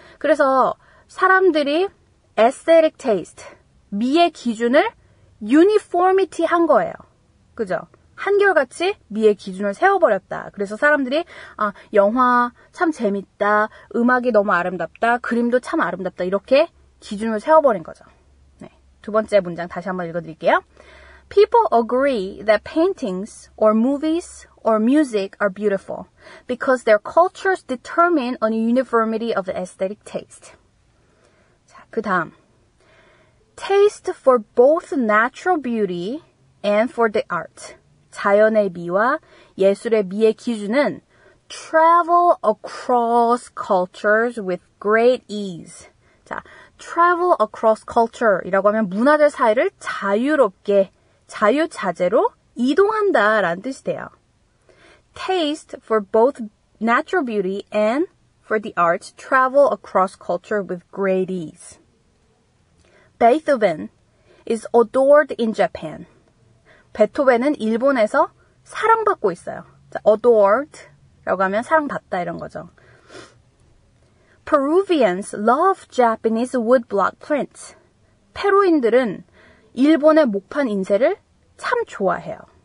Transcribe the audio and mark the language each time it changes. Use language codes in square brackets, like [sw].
[ko] 그래서 사람들이 aesthetic taste, 미의 기준을 uniformity 한 거예요. 그죠? 한결같이 미의 기준을 세워버렸다. 그래서 사람들이 아, 영화 참 재밌다, 음악이 너무 아름답다, 그림도 참 아름답다 이렇게 기준을 세워버린 거죠. 네, 두 번째 문장 다시 한번 읽어드릴게요. [en] People agree that paintings or movies or music are beautiful because their cultures determine on uniformity of the aesthetic taste. [ko] 자, 그 다음. [en] Taste for both natural beauty and for the art. [ko] 자연의 미와 예술의 미의 기준은 [en] travel across cultures with great ease. [ko] 자, travel across culture 이라고 하면 문화들 사이를 자유롭게, 자유자재로 이동한다 라는 뜻이 돼요. [en] Taste for both natural beauty and for the arts travel across culture with great ease. Beethoven is adored in Japan. [ko] 베토벤은 일본에서 사랑받고 있어요. Adored라고 하면 사랑받다 이런 거죠. [en] Peruvians love Japanese woodblock prints. [ko] 페루인들은 일본의 목판 인쇄를 참 좋아해요.